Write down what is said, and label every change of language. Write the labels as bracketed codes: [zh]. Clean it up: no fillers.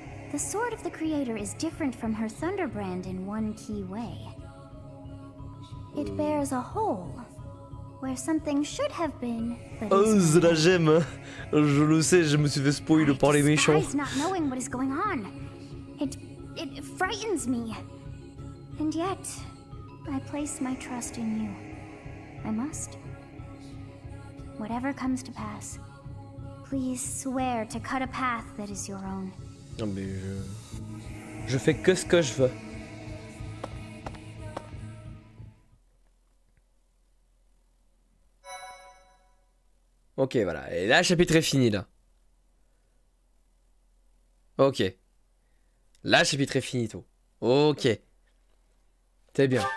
[en] The sword of the creator is different from her Thunderbrand in one key way. It bears a hole where something should have been. [fr] Oh, la gemme. Je le sais, je me suis fait spoiler par les méchants. [en] Not knowing what is going on. It frightens me. And yet, I place my trust in you. I must. Whatever comes to pass, please swear to cut a path that is your own. [fr] Non mais je fais que ce que je veux. Ok, voilà. Et là, le chapitre est fini, là. Ok. Là, le chapitre est fini, tout. Ok. T'es bien.